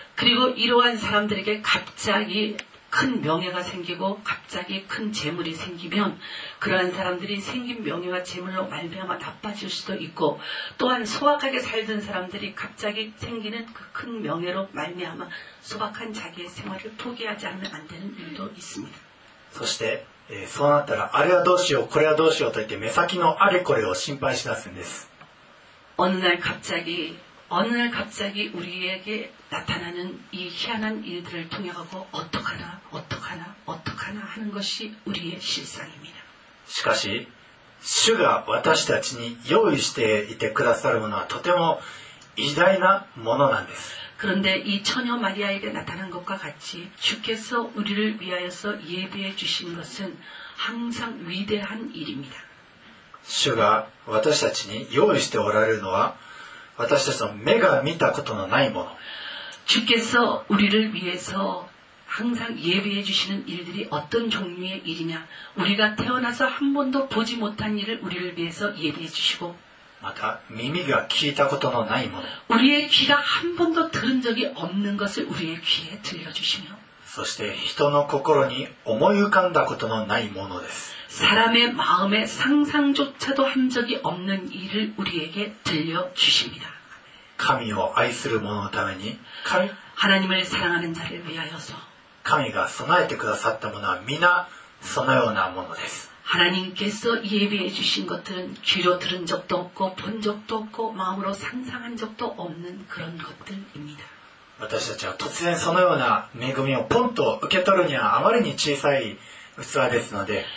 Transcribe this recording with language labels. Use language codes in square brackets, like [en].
[ko] 그리고이러한사람들에게갑자기큰명예가생기고갑자기큰재물이생기면그러한사람들이생긴명예와재물로말미암아나빠질수도있고또한소박하게살던사람들이갑자기생기는그큰명예로말미암아소박한자기의생활을포기하지않으면안되는일도있습니다。 [ja] そして、そうなったらあれはどうしようこれはどうしようといって目先のあれこれを心配しだすんです。 [ko] 어느 날 갑자기 우리에게 나타나는 이 희한한 일들을 통해 가고 어떡하나 하는 것이 우리의 실상입니다。 [ja] しかし、主が私たちに用意していてくださるものはとても偉大なものなんです。 [ko] 그런데이처녀마리아에게 나타난 것과 같이 주께서 우리를 위하여서 예비해 주신 것은 항상 위대한 일입니다。 [ja] 主が私たちに用意しておられるのは私たちの目が見たことのないもの。 [ko] 주께서우리를위해서항상예비해주시는일들이어떤종류의일이냐우리가태어나서한번도보지못한일을우리를위해서예비해주시고 [ja] また耳が聞いたことのないもの [ko] 우리의귀가한번도들은적이없는것을우리의귀에들려주시며 [ja] そして人の心に思い浮かんだことのないものです。 [ko] 사람의마음에상상조차도한적이없는일을우리에게들려주십니다。 [ja] 神を愛する者のために、 [ko] 하나님을사랑하는자를위하여서、 [ja] 神が備えてくださったものは皆そのようなものです。 [ko] 하나님께서예비해주신것들은귀로들은적도없고본적도없고마음으로상상한적도없는그런것들입니다。 [ja] 私たちは突然そのような恵みをポンと受け取るにはあまりに小さい器ですので、